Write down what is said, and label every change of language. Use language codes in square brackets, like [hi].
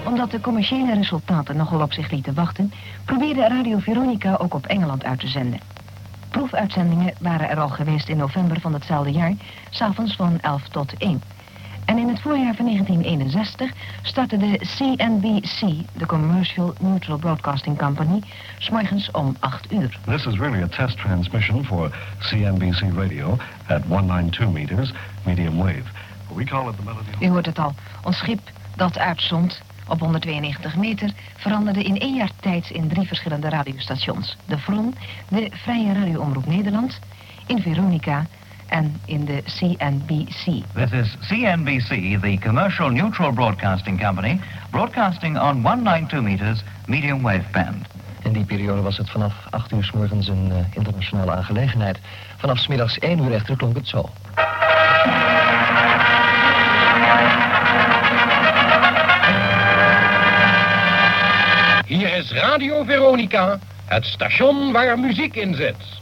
[nl] De commerciële resultaten nogal op zich lieten wachten, probeerde Radio Veronica ook op Engeland uit te zenden. Proefuitzendingen waren er al geweest in november van datzelfde jaar, 11:00 tot 1:00. En in het voorjaar van 1961 startte de CNBC, de Commercial Neutral Broadcasting Company, 8:00. [en] This is really a test transmission for CNBC Radio at 192 meters, medium wave. We call it the melody... [nl] U hoort het al, ons schip dat uitzond... Op 192 meter veranderde in 1 jaar tijd in 3 verschillende radiostations. De VROM, de Vrije Radioomroep Nederland, in Veronica en in de CNBC. [en] This is CNBC, the Commercial Neutral Broadcasting Company, broadcasting on 192 meters, medium wave band. [nl] In die periode was het vanaf 8:00 morgens een internationale aangelegenheid. Vanaf 1:00 echter klonk het zo. Hier is Radio Veronica, het station waar muziek in zit.